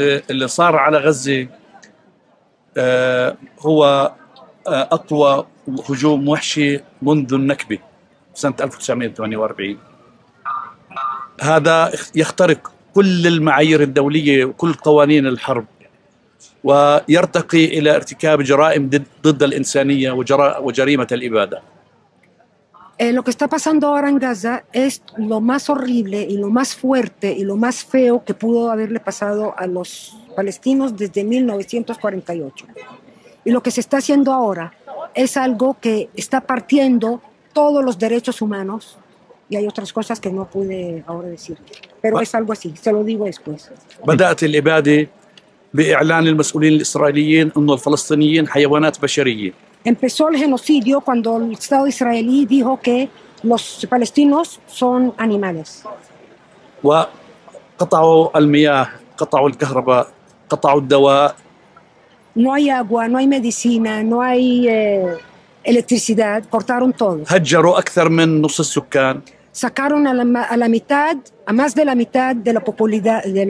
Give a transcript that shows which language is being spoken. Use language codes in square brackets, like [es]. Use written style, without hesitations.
[ar] اللي صار على غزه هو اقوى هجوم وحشي منذ النكبه سنه 1948 هذا يخترق كل المعايير الدولية وكل قوانين الحرب ويرتقي إلى ارتكاب جرائم ضد الإنسانية وجريمة الإبادة. [es] Lo que está pasando ahora en Gaza es lo más horrible y lo más fuerte y lo más feo que pudo haberle pasado a los palestinos desde 1948. Y lo que se está haciendo ahora es algo que está partiendo todos los derechos humanos. Y hay otras cosas que no pude ahora decir, pero es algo así, se lo digo después. [ar] بدأت الإبادة بإعلان المسؤولين الإسرائيليين أن الفلسطينيين حيوانات بشرية. [es] Empezó el genocidio cuando el Estado israelí dijo que los palestinos son animales. [ar] وقطعوا المياه، قطعوا الكهرباء، قطعوا الدواء. [es] No hay agua, no hay medicina, no hay electricidad, cortaron todo. [ar] هجروا أكثر من نص السكان. [es] Sacaron a la mitad, a más de la mitad de la popularidad